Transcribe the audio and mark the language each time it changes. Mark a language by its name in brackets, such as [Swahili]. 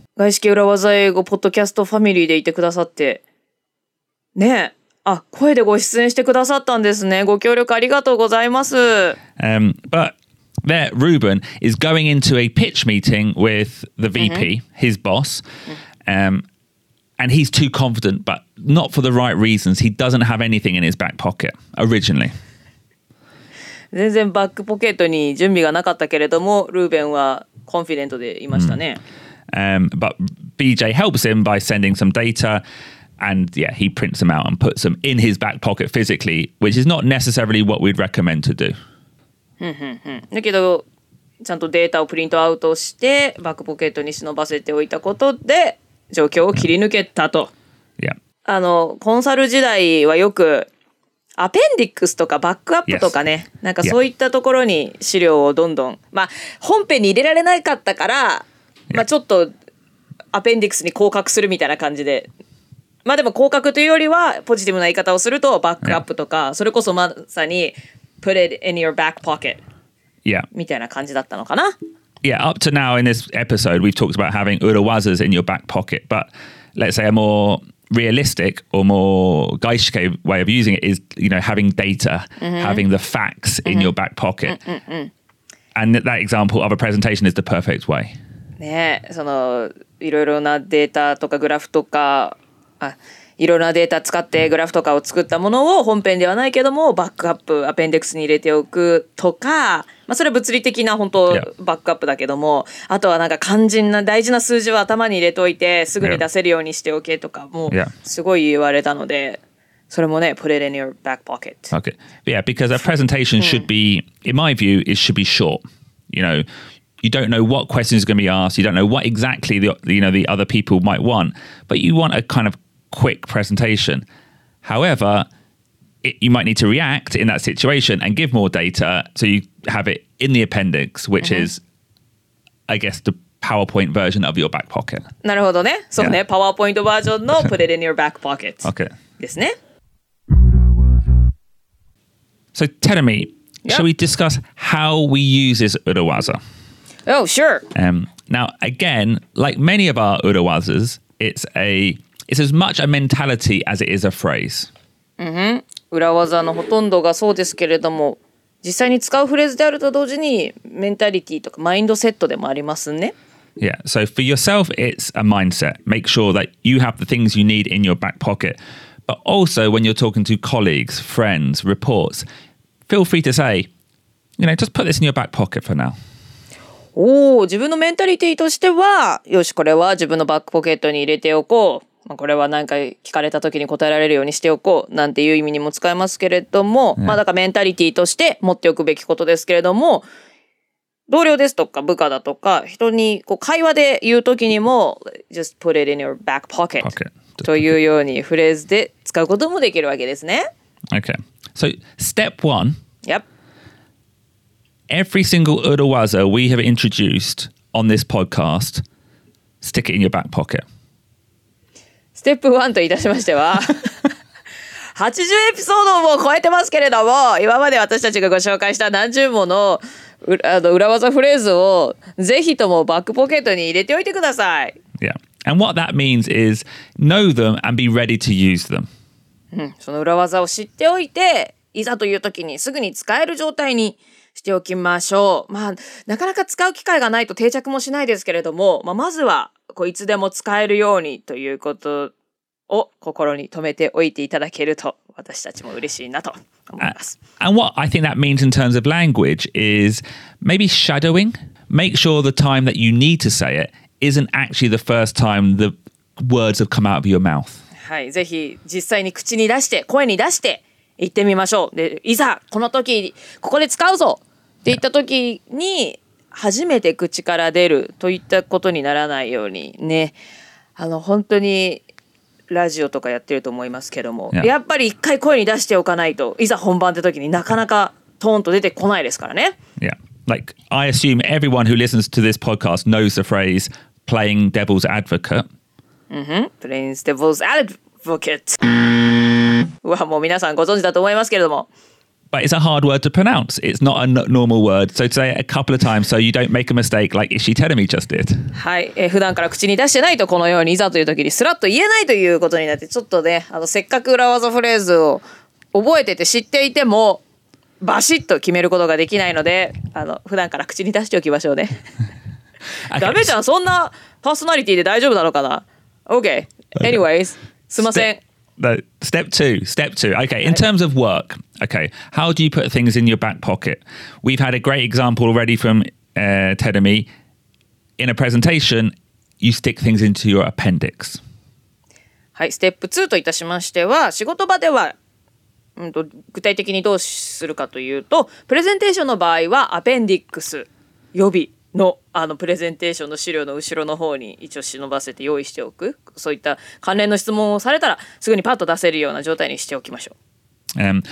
[Japanese] 外資系裏技英語ポッドキャストファミリーでいてくださって。ねえ。あ、声でご出演してくださったんですね。ご協力ありがとうございます。 [English] But there, Ruben is going into a pitch meeting with the VP, his boss, and he's too confident, but not for the right reasons. He doesn't have anything in his back pocket originally. [Japanese] 全然バックポケットに準備がなかったけれども、ルーベンはコンフィデントでいましたね。 [English] But BJ helps him by sending some data. And yeah, he prints them out and puts them in his back pocket physically, which is not necessarily what we'd recommend to do. [Japanese] だけど、ちゃんとデータをプリントアウトして、バックポケットに忍ばせておいたことで、状況を切り抜けたと。 [English] Yeah. [Japanese] あのコンサル時代はよくアペンディックスとかバックアップとかね、yes. なんかそういったところに資料をどんどん、まあ本編に入れられなかったから、まあちょっとアペンディックスに降格するみたいな感じで、まあでも降格というよりはポジティブな言い方をするとバックアップとか、それこそまさに [English] put it in your back pocket [Japanese] みたいな感じだったのかな。 [English] Yeah, up to now in this episode, we've talked about having urawazas in your back pocket, but let's say a more realistic or more gaishike way of using it is, you know, having data, mm-hmm. having the facts in mm-hmm. your back pocket. Mm-hmm. And that example of a presentation is the perfect way. Yeah, so, [Japanese] いろいろなデータとかグラフとか、あ、いろいろなデータ使ってグラフとかを作ったものを本編ではないけども、バックアップ、アペンデックスに入れておくとか、まあ、それは物理的な本当バックアップだけども、あとはなんか肝心な大事な数字は頭に入れといてすぐに出せるようにしておけとかもすごい言われたので、それもね、 [English] put it in your back pocket. Okay. Yeah, because a presentation should be, in my view, it should be short. You know, you don't know what question is going to be asked, you don't know what exactly the, you know, the other people might want, but you want a kind of quick presentation. However,you might need to react in that situation and give more data so you have it in the appendix, which mm-hmm. is, I guess, the PowerPoint version of your back pocket. [Japanese] なるほどね。そうね。 [English] PowerPoint version の put it in your back pocket. Okay. [Japanese] ですね。 [English] So, Terumi, yep. shall we discuss how we use this urawaza? Oh, sure. Now, again, like many of our urawazas, it's as much a mentality as it is a phrase. Mm-hmm. [Japanese] 裏技のほとんどがそうですけれども、実際に使うフレーズであると同時にメンタリティとかマインドセットでもありますね。 [English] Yeah, so for yourself, it's a mindset. Make sure that you have the things you need in your back pocket. But also, when you're talking to colleagues, friends, reports, feel free to say, you know, just put this in your back pocket for now. [Japanese] おお、自分のメンタリティとしては、よし、これは自分のバックポケットに入れておこう。まあ、これは何か聞かれた時に答えられるようにしておこうなんていう意味にも使えますけれども、yeah. まあだからメンタリティとして持っておくべきことですけれども、同僚ですとか部下だとか人にこう会話で言う時にも [English] just put it in your back pocket, pocket. [Japanese] というようにフレーズで使うこともできるわけですね。 [English] Okay, so step one. Yep. Every single urawaza we have introduced on this podcast, stick it in your back pocket [Japanese] ステップ1といたしましては80エピソードを超えてますけれども、今まで私たちがご紹介した何十も の, あの裏技フレーズをぜひともバックポケットに入れておいてください。 [English] Yeah, and what that means is know them and be ready to use them. [Japanese] その裏技を知っておいて、いざという時にすぐに使える状態にしておきましょう。まあなかなか使う機会がないと定着もしないですけれども、まあ、まずはこいつでも使えるようにということを心に留めておいていただけると私たちも嬉しいなと思います。 [English] And what I think that means in terms of language is maybe shadowing. Make sure the time that you need to say it isn't actually the first time the words have come out of your mouth. [Japanese] はい、ぜひ実際に口に出して声に出して言ってみましょう。で、いざこの時ここで使うぞって言った時に、yeah. 初めて口から出るといったことにならないようにね、あの本当にラジオとかやってると思いますけども、yeah. やっぱり一回声に出しておかないと、いざ本番って時になかなかトーンと出てこないですからね。 [English] Yeah, like I assume everyone who listens to this podcast knows the phrase playing devil's advocate. Mm-hmm. Playing devil's advocate. [Japanese] わ、もう皆さんご存知だと思いますけれども、 [English] But it's a hard word to pronounce. It's not a normal word. So say it a couple of times so you don't make a mistake like Ishii Terumi just did. [Japanese] はい、普段から口に出してないとこのようにいざという時にスラッと言えないということになって、ちょっとね、あのせっかく裏技フレーズを覚えてて知っていてもバシッと決めることができないので、あの普段から口に出しておきましょうね。 [English] okay. [Japanese] ダメじゃん、そんなパーソナリティで大丈夫なのかな。 [English] Okay, anyways, [Japanese] すいません。 [English] Step two. Okay, in terms of work, okay, how do you put things in your back pocket? We've had a great example already from Terumi. In a presentation, you stick things into your appendix. [Japanese] はい、ステップ2といたしましては、仕事場では、具体的にどうするかというと、プレゼンテーションの場合はアペンディックス、予備の、 あのプレゼンテーションの資料の後ろの方に一応忍ばせて用意しておく。そういった関連の質問をされたらすぐにパッと出せるような状態にしておきましょう。